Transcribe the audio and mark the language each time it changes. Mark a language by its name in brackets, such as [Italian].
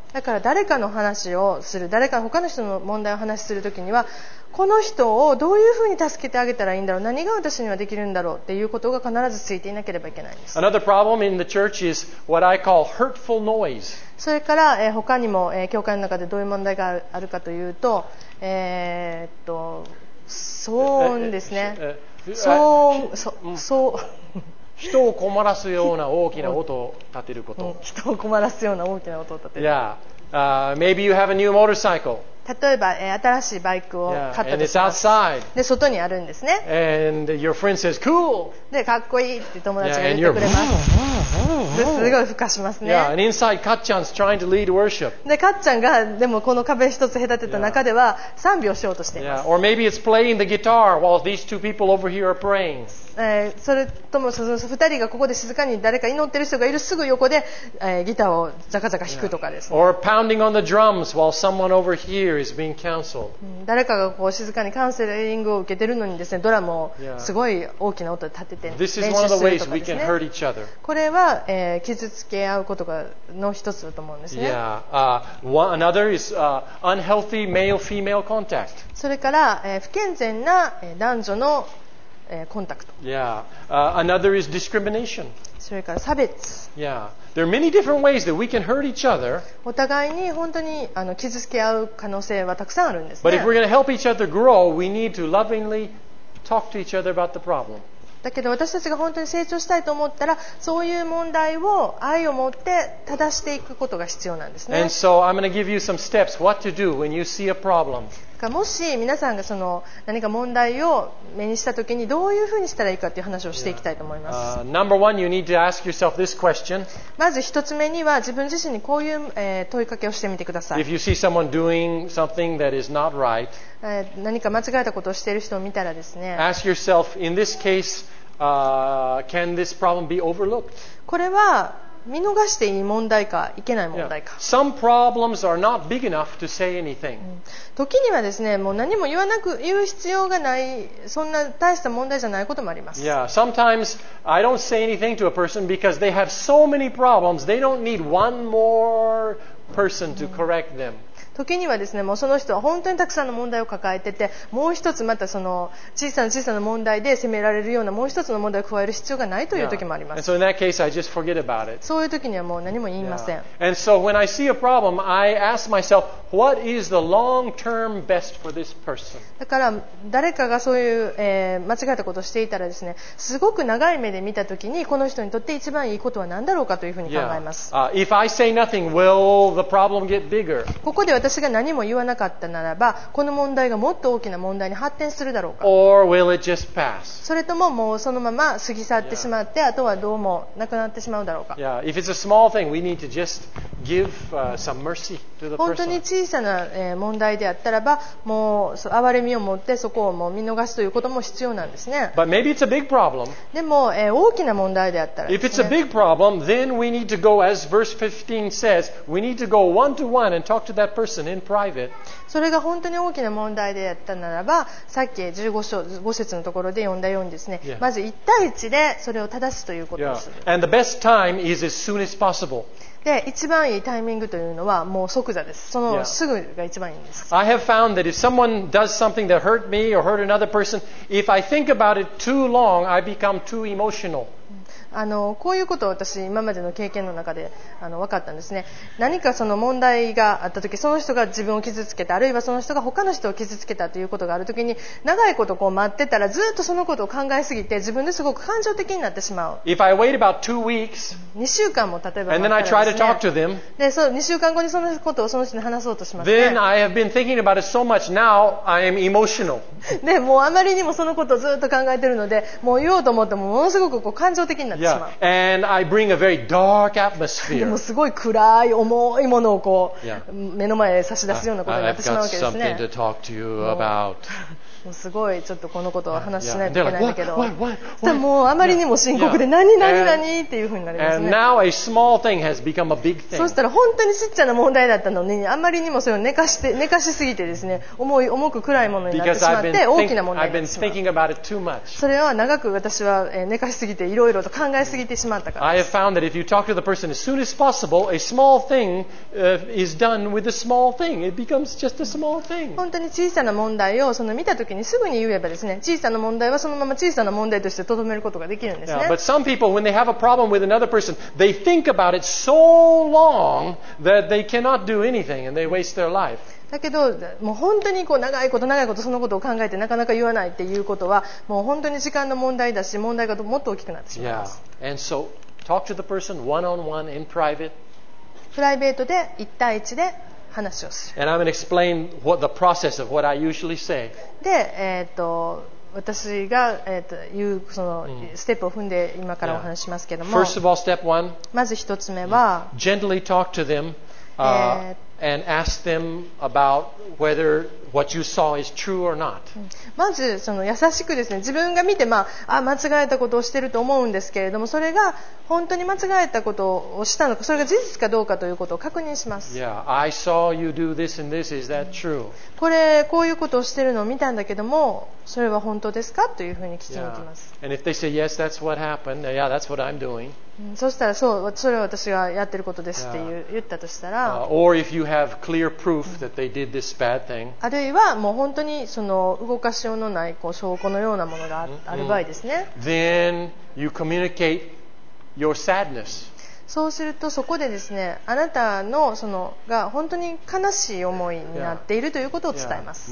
[Japanese] だから誰かの話をする、誰か他の人の問題を話するときには、この人をどういうふうに助けてあげたらいいんだろう、何が私にはできるんだろうっていうことが必ずついていなければいけないんです。 [English] Another problem in the church is what I call hurtful noise. [Japanese] それから、他にも、教会の中でどういう問題があるかというと、騒音ですね。騒音。人を困らすような大きな音を立てること。人を困らすような大きな音を立てる。 [English] Yeah. Maybe you have a new motorcycle. [Japanese] 例えば、新しいバイクを買ったとします。Yeah, で、外にあるんですね。 [English] And your friend says, cool. [Japanese] で、かっこいいって友達が言ってくれます。 Yeah, すごい吹かしますね。 [English] Yeah, and inside, Katchan's trying to lead worship. [Japanese] で、かっちゃんが、でもこの壁一つ隔てた中では、賛美をしようとしています。 [English] Yeah, or maybe it's playing the guitar while these two people over here are praying. [Japanese] それとも二人がここで静かに誰か祈ってる人がいるすぐ横で、ギターをザカザカ弾くとかですね。 Or pounding on the drums while someone over here is being counseled. 誰かがこう静かにカウンセリングを受けてるのにですね、ドラムをすごい大きな音で立てて練習するとかですね。これは、傷つけ合うことがの一つだと思うんですね。 [English] Yeah. Another is unhealthy male-female contact. [Japanese] それから、不健全な男女のコンタクト。 [English] Yeah. Another is discrimination. [Japanese] それから差別。 Yeah. [English] There are many different ways that we can hurt each other. [Japanese] お互いに本当に傷つけ合う可能性はたくさんあるんですね。 [English] But if we're going to help each other grow, we need to lovingly talk to each other about the problem. [Japanese] だけど私たちが本当に成長したいと思ったら、そういう問題を愛を持って正していくことが必要なんですね。 [English] And so I'm going to give you some steps what to do when you see a problem. [Japanese] もし皆さんがその何か問題を目にしたときにどういうふうにしたらいいかという話をしていきたいと思います。 [English] Number one, you need to ask yourself this question. [Japanese] まず一つ目には自分自身にこういう問いかけをしてみてください。 [English] If you see someone doing something that is not right, [Japanese] 何か間違えたことをしている人を見たらですね、 [English] ask yourself, in this case, can this problem be overlooked? [Japanese] これは見逃していい問題かいけない問題か。 [English] Some problems are not big enough to say anything. [Japanese] 時にはですね、もう何も言わなく言う必要がない、そんな大した問題じゃないこともあります。 [English] Yeah, sometimes I don't say anything to a person because they have so many problems they don't need one more person to correct them. [Japanese] 時にはですね、もうその人は本当にたくさんの問題を抱えてて、もう一つまたその小さな小さな問題で責められるようなもう一つの問題を加える必要がないという時もあります。 Yeah. [English] And so in that case, I just forget about it. [Japanese] そういう時にはもう何も言いません。 Yeah. [English] And so when I see a problem, I ask myself, what is the long-term best for this person? [Japanese] だから誰かがそういう、間違えたことをしていたらですね、すごく長い目で見た時にこの人にとって一番いいことは何だろうかというふうに考えます。 Yeah. [English] If I say nothing, will the problem get bigger? [Japanese] ここで私が何も言わなかったならば、この問題がもっと大きな問題に発展するだろうか。 [English] Or will it just pass? [Japanese] それとももうそのまま過ぎ去ってしまって、yeah. あとはどうもなくなってしまうだろうか。 Yeah. [English] If it's a small thing, we need to just give some mercy to the person. [Japanese] 本当に小さな問題であったらば、もう憐れみを持ってそこをもう見逃すということも必要なんですね。 [English] But maybe it's a big problem. [Japanese] でも、大きな問題であったらですね。 [English] If it's a big problem, then we need to go, as verse 15 says, we need to go one to one and talk to that person. [Japanese] それが本当に大きな問題であったならば、さっき15章5節のところで読んだようにですね、まず1対1でそれを正すということです。 Yeah. [English] And the best time is as soon as possible. [Japanese] で、一番いいタイミングというのはもう即座です。そのすぐが一番いいんです。 Yeah. [English] I have found that if someone does something that hurt me or hurt another person, if I think about it too long, I become too emotional. [Japanese] こういうことを私今までの経験の中で分かったんですね。何かその問題があったとき、その人が自分を傷つけた、あるいはその人が他の人を傷つけたということがあるときに、長いことこう待ってたらずっとそのことを考えすぎて自分ですごく感情的になってしまう。 [English] If I wait about two weeks, [Japanese] 2週間も例えば [English] and then I try to talk to them, [Japanese] でそう2週間後にそのことをその人に話そうとしますね。 [English] Then I have been thinking about it so much, now I am emotional. [Japanese] でもうあまりにもそのことをずっと考えてるので、もう言おうと思ってもものすごくこう感情的になって [English] Yeah. And I bring a very dark atmosphere. [Japanese] でもすごい暗い重いものをこう目の前へ差し出すようなことになってしまうわけですね。 [English] I've got something to talk to you about. [Japanese] もうすごいちょっとこのことを話しないといけないんだけど。 [English] Like, [Japanese] もうあまりにも深刻で何っていうふうになりますね。 [English] And now a small thing has become a big thing. [Japanese] そうしたら本当にちっちゃな問題だったのに、あまりにもそれを寝かしすぎてですね、重く暗いものになってしまって大きな問題になってしまう。それは長く私は寝かしすぎていろいろと考えすぎてしまったからです。 [English] I have found that if you talk to the person as soon as possible, a small thing is done with a small thing. It becomes just a small thing. [Japanese] 本当に小さな問題をその見たときにすぐに言えばですね、小さな問題はそのまま小さな問題としてとどめることができるんですね。 [English] Yeah, but some people, when they have a problem with another person, they think about it so long that they cannot do anything and they waste their life. [Japanese] だけどもう本当にこう長いこと長いことそのことを考えてなかなか言わないっていうことはもう本当に時間の問題だし、問題がもっと大きくなってしまいます。 Yeah. [English] And so, talk to the person one-on-one in private. [Japanese] プライベートで一対一で話をする。 [English] And I'm going to explain what the process of what I usually say. [Japanese] で、私が、言うそのステップを踏んで今からお話しますけども、 [English] yeah. First of all, step one. [Japanese] まず一つ目は、 [English] Gently talk to them. And ask them about whether what you saw is true or not. [Japanese] まずその優しくですね、自分が見て、まあ、間違えたことをしていると思うんですけれども、それが本当に間違えたことをしたのか、それが事実かどうかということを確認します。 [English] Yeah, I saw you do this and this. Is that true? [Japanese] これこういうことをしているのを見たんだけども、それは本当ですかというふうに聞きに行きます。 [English] Yeah. And if they say yes, that's what happened. Yeah, that's what I'm doing. [Japanese] そしたら、そう、それは私がやってることですって言ったとしたら、 [English] or if you have clear proof that they did this bad thing. [Japanese] あるいはもう本当にその動かしようのないこう証拠のようなものがある場合ですね。 Mm-hmm. [English] Then you communicate your sadness. [Japanese] そうするとそこでですね、あなたのそのが本当に悲しい思いになっているということを伝えます。